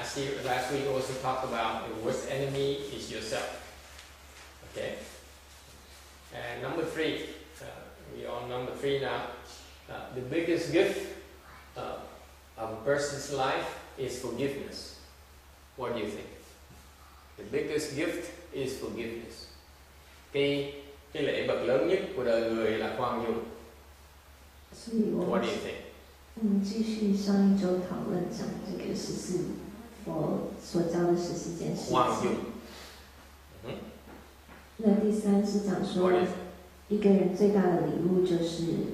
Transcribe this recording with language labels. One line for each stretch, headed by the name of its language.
English: And last week we also talked about the worst enemy is yourself, okay? And number three, we're on number three now. The biggest gift of a person's life is forgiveness. What do you think? The biggest gift is forgiveness.
Vietnamese: Cái lễ vật lớn nhất của đời người là khoan dung.
English: What do you think?
Chinese: 我们继续上一周讨论讲这个14佛所教的14件事情。
English: What do you think?
Chinese: 一个人最大的礼物就是,